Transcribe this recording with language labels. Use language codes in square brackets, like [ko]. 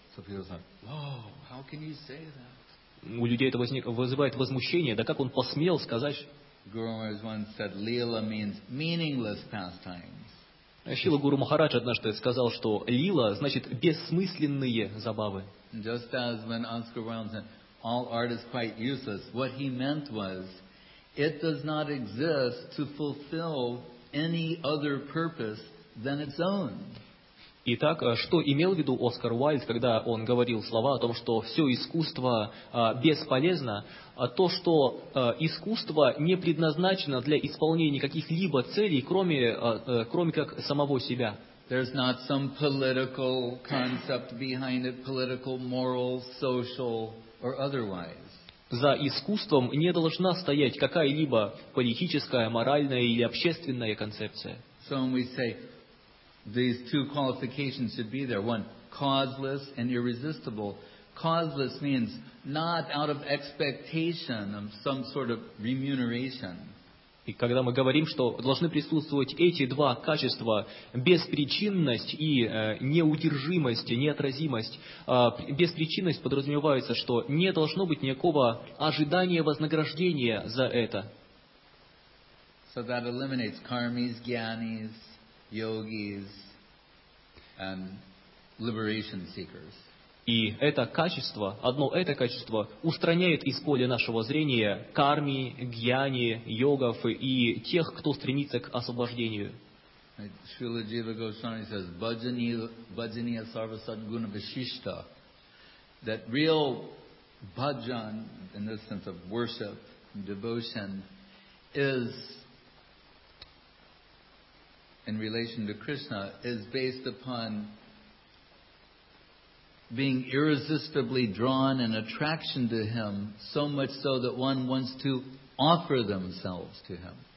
[en] So people say, whoa, how can you say that? [ru] У людей это вызывает возмущение. Да как он посмел сказать? [en] Guru Maharaj once said, Leela means meaningless pastimes. [ru] Шрила Гуру Махарадж однажды сказал, что лила значит бессмысленные забавы. [en] Just as when Oscar Wilde said, all art is quite useless, what he meant was, it does not exist to fulfill any other purpose than its own. [ru] Итак, что имел в виду Оскар Уайльд, когда он говорил слова о том, что все искусство бесполезно, то, что искусство не предназначено для исполнения каких-либо целей, кроме как самого себя. [en] There's not some political concept behind it, political, moral, social, or otherwise. [ru] За искусством не должна стоять какая-либо политическая, моральная или общественная концепция. [en] So we say, these two qualifications should be there. One, causeless and irresistible. Causeless means not out of expectation of some sort of remuneration. [ru] И когда мы говорим, что должны присутствовать эти два качества, беспричинность и неудержимость, неотразимость, беспричинность подразумевается, что не должно быть никакого ожидания вознаграждения за это. [en] So that eliminates karmis, gyanis, yogis, and liberation seekers. [ru] И это качество устраняет из поля нашего зрения карми, гьяни, йогов и тех, кто стремится к освобождению. [en] Srila Jiva Goswami says, [sa] bhajaniya sarvasadguna vishishta, [en] that real bhajan, in this sense of worship, devotion, is in relation to Krishna, is based upon being irresistibly drawn in attraction to Him, so much so that one wants to offer themselves to Him.